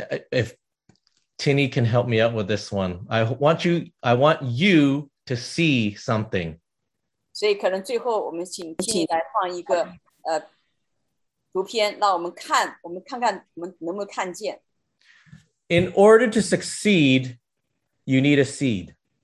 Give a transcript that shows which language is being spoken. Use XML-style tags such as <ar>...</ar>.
<en>If Tinny can help me out with this one, I want you to see something.</en> <zh>所以可能最后我们请Tinny来放一个图片，让我们看，我们看看我们能不能看见。</zh> <en>In order to succeed, you need a seed.</en>